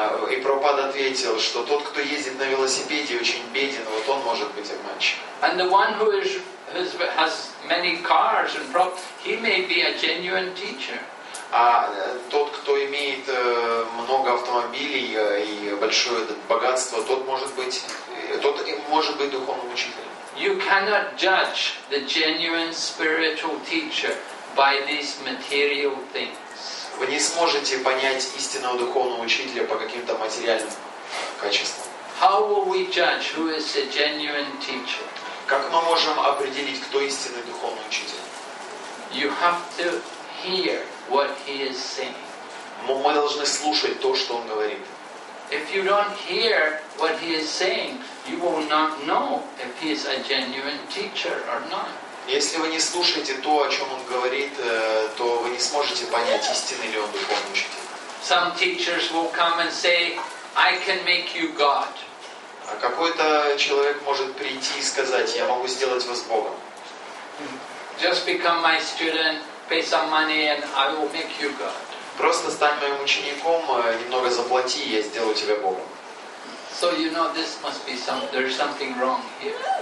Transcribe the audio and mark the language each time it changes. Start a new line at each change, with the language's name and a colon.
Russian: И Прабхупада ответил, что тот, кто ездит на велосипеде, очень беден, вот он может быть обманщик.
English: And the one who is, has many cars and property, he may be a genuine teacher.
Russian: А тот, кто имеет много автомобилей и большое богатство, тот может быть духовным учителем.
English: You cannot judge the genuine spiritual teacher by these material things.
Russian: Вы не сможете понять истинного духовного учителя по каким-то материальным качествам.
English: How will we judge who is a genuine teacher?
Russian: Как мы можем определить, кто истинный духовный учитель?
English: You have to hear what he is saying.
Russian: Мы должны слушать то, что он говорит.
English: If you don't hear what he is saying, you will not know if he is a genuine teacher or not.
Russian: Если вы не слушаете то, о чем он говорит, то вы не сможете понять, истинный ли он духовный учитель.
English: Some teachers will come and say, "I can make you God."
Russian: А какой-то человек может прийти и сказать, "Я могу сделать вас Богом."
English: Just become my student. Pay some money and I will make you God.
Russian: Просто стань моим учеником, немного заплати, и я сделаю тебя Богом.
English: So you know this must be some, there's something wrong here.